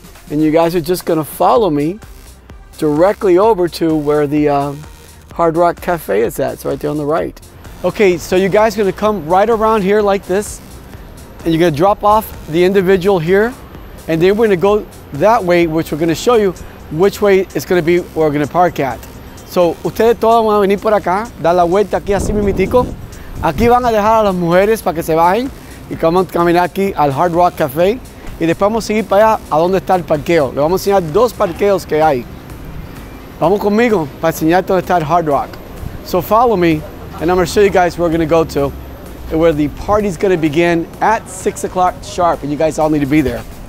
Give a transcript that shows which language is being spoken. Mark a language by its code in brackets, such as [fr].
[en] And you guys are just gonna follow me directly over to where the Hard Rock Cafe is at. It's right there on the right. Okay, so you guys are gonna come right around here like this, and you're gonna drop off the individual here, and then we're gonna go that way, which we're gonna show you which way it's gonna be where we're gonna park at. [es] So, ustedes todos van a venir por acá, dar la vuelta aquí así mimitico. Aquí van a dejar a las mujeres para que se bajen y vamos a caminar aquí al Hard Rock Cafe, y después vamos a seguir para allá a donde está el parqueo. Le vamos a enseñar dos parqueos que hay. Vamos conmigo para enseñarte dónde está el Hard Rock. [en] So follow me, and I'm going to show you guys where we're going to go to, where the party's going to begin at 6 o'clock sharp, and you guys all need to be there.